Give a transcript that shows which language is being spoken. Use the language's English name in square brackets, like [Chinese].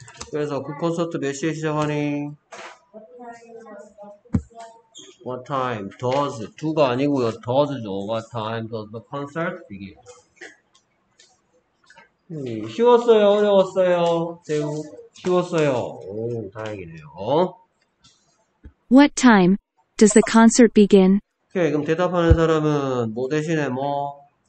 [Korean] 그래서 그 콘서트 몇 시에 시작하니? [English] What time does [Korean] 두가 아니고요, [English] does죠. What time does the concert begin? [Korean] 쉬웠어요? 어려웠어요? 제우 쉬웠어요? 오, 다행이네요. [English] What time does the concert begin? [Korean] 오케이, 그럼 대답하는 사람은 뭐 대신에 뭐?